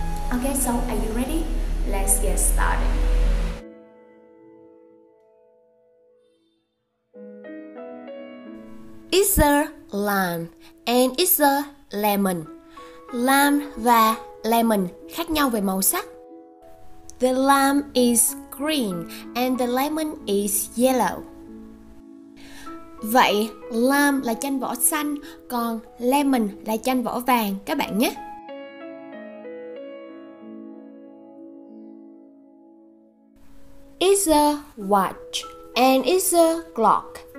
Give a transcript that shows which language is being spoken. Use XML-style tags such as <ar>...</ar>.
<en>Ok, so are you ready? Let's get started. It's a lime and it's a lemon.</en> <vi>Lime và lemon khác nhau về màu sắc.</vi> <en>The lime is green and the lemon is yellow.</en> <vi>Vậy lime là chanh vỏ xanh, còn lemon là chanh vỏ vàng các bạn nhé.</vi> <en>It's a watch and it's a clock.</en>